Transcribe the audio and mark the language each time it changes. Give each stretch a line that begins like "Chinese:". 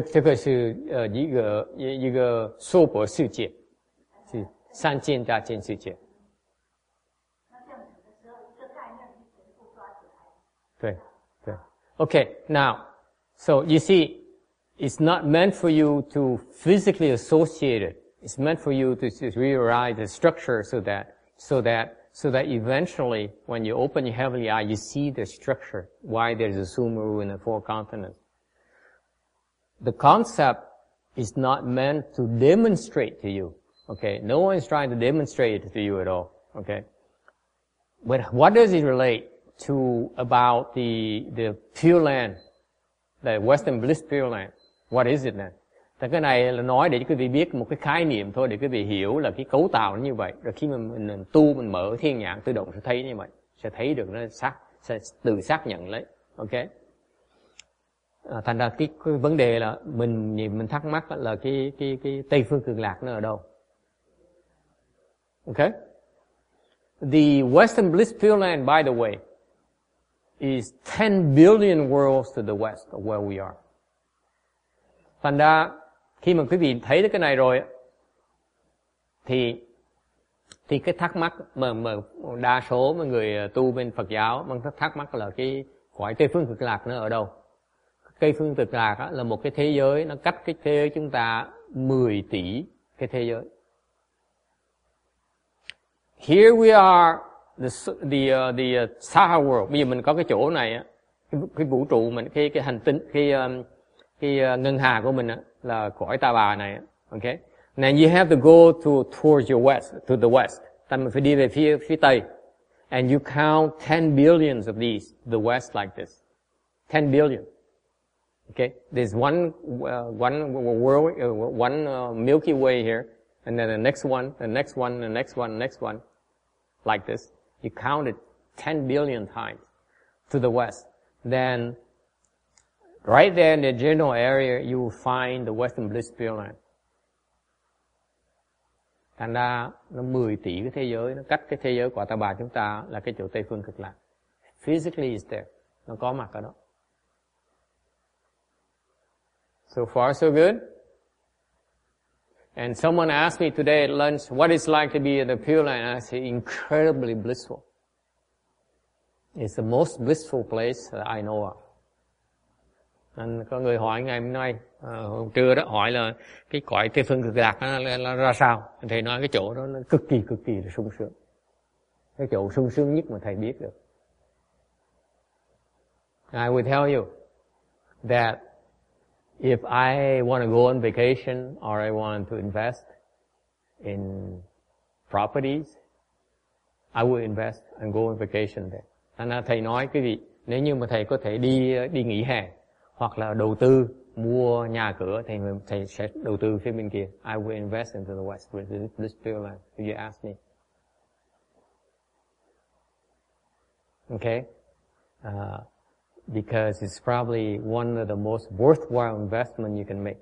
Chinese: 这个是一个娑婆世界，是三见大千世界。那这样子的时候，一个概念就全部抓起来。
English: 对，OK，Now， So you see, it's not meant for you to physically associate it. It's meant for you to rewrite the structure so that eventually when you open your heavenly eye, you see the structure, why there's a Sumeru in the four continents. The concept is not meant to demonstrate to you. Okay, no one is trying to demonstrate it to you at all. Okay, but what does it relate to about the Pure Land, the Western Bliss Pure Land? What is it then?
Vietnamese: Thì cái này là nói để quý vị biết một cái khái niệm thôi, để quý vị hiểu là cái cấu tạo nó như vậy. Rồi khi mà mình tu, mình mở thiên nhãn, tự động sẽ thấy như vậy, sẽ thấy được nó xác, sẽ tự xác nhận lấy. Okay. À, thành ra cái vấn đề là mình thắc mắc là cái Tây Phương Cực Lạc nó ở đâu? Okay.
English: The Western Bliss Pure Land, by the way, is 10 billion worlds to the west of where we are.
Vietnamese: Thành ra khi mà quý vị thấy được cái này rồi thì cái thắc mắc mà đa số mọi người tu bên Phật giáo mang thắc mắc là cái cõi Tây Phương Cực Lạc nó ở đâu? Cây phương cực lạc là một cái thế giới, nó cách cái thế giới chúng ta 10 tỷ cái thế giới.
English: Here we are, the Saha world.
Vietnamese: Bây giờ mình có cái chỗ này, cái vũ trụ mình, cái hành tinh, cái ngân hà của mình là cõi ta bà này.
English: Okay? Now you have to go towards your west, to the west.
Vietnamese: Ta mình phải đi về phía tây.
English: And you count 10 billions of these, the west like this. 10 billion. Okay, there's one Milky Way here, and then the next one, like this. You count it 10 billion times to the west. Then, right there in the general area, you will find the Western Bliss Pure Land.
Vietnamese: Thành ra, nó 10 tỷ cái thế giới, nó cách cái thế giới của ta bà chúng ta là cái chỗ Tây Phương Cực Lạc.
English: Physically it's there,
Vietnamese: nó có mặt ở đó.
English: So far, so good. And someone asked me today at lunch, what it's like to be in the Pure Land? And I said, incredibly blissful. It's the most blissful place that I know of.
Vietnamese: And có người hỏi ngày hôm nay, hôm trưa đó, hỏi là cái cõi Tây Phương Cực Lạc nó ra sao? Thầy nói cái chỗ đó nó cực kỳ là sung sướng. Cái chỗ sung sướng nhất mà thầy biết được.
English: I will tell you that if I want to go on vacation or I want to invest in properties, I will invest and go on vacation there.
Vietnamese: Thành ra thầy nói quý vị, nếu như mà thầy có thể đi nghỉ hè hoặc là đầu tư mua nhà cửa, thầy sẽ đầu tư phía bên kia.
English: I will invest into the West with this Pure Land, if you ask me. Okay? Because it's probably one of the most worthwhile investment you can make.